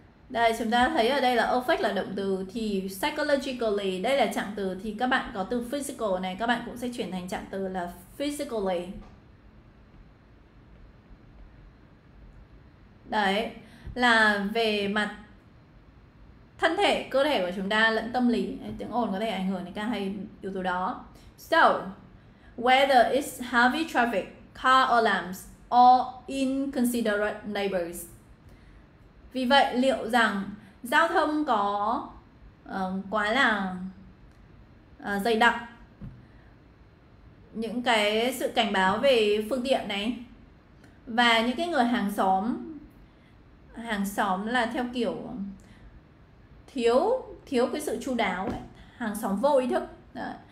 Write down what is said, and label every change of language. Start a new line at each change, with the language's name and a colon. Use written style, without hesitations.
Vietnamese: Đây chúng ta thấy ở đây là affect là động từ, thì psychologically đây là trạng từ, thì các bạn có từ physical này các bạn cũng sẽ chuyển thành trạng từ là physically. Đấy là về mặt thân thể, cơ thể của chúng ta lẫn tâm lý, tiếng ồn có thể ảnh hưởng đến cả hai yếu tố đó.
English: So whether it's heavy traffic, car alarms or inconsiderate neighbors.
Vietnamese: Vì vậy liệu rằng giao thông có quá là dày đặc, những cái sự cảnh báo về phương tiện này, và những cái người hàng xóm, hàng xóm là theo kiểu thiếu cái sự chu đáo ấy, hàng xóm vô ý thức đó.